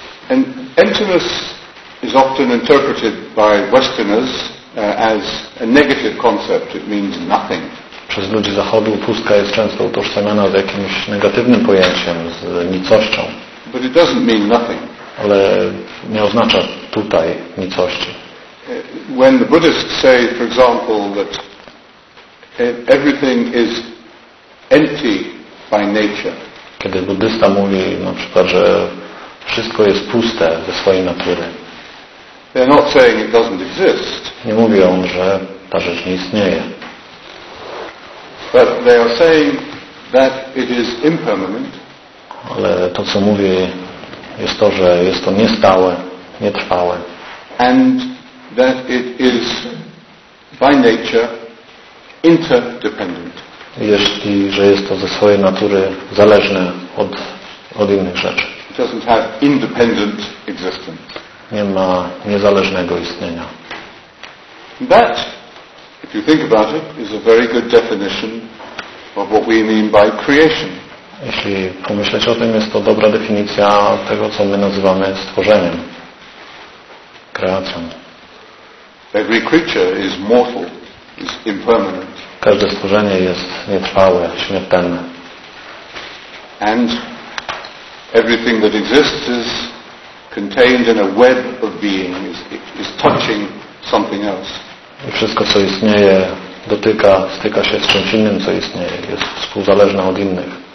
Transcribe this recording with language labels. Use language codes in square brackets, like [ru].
[en] And emptiness is often interpreted by Westerners as a negative concept. It means nothing. [pl] Przez ludzi zachodu pustka jest często utożsamiana z jakimś negatywnym pojęciem, z nicością. [en] But it doesn't mean nothing. [pl] Ale nie oznacza tutaj nicości. [en] When the Buddhists say, for example, that everything is empty by nature. [pl] Kiedy buddysta mówi na przykład, że wszystko jest puste ze swojej natury. [en] They're not saying it doesn't exist. [pl] Nie mówią, że ta rzecz nie istnieje. [en] But they are saying that it is impermanent. [pl] Ale to, co mówię, jest to, że jest to niestałe, nietrwałe. [en] And that it is by nature interdependent. [pl] Jeśli, że jest to ze swojej natury zależne od innych rzeczy. [en] It doesn't have independent existence. [pl] Nie ma niezależnego istnienia. [en] That, if you think about it, is a very good definition of what we mean by creation. [pl] Jeśli pomyśleć o tym, jest to dobra definicja tego, co my nazywamy stworzeniem, kreacją. [en] Every creature is mortal, is impermanent. [pl] Każde stworzenie jest nietrwałe, śmiertelne. [en] And everything that exists is contained in a web of being, is touching something else. [pl] I wszystko, co istnieje, dotyka, styka się z czymś innym, co istnieje, jest współzależne od innych.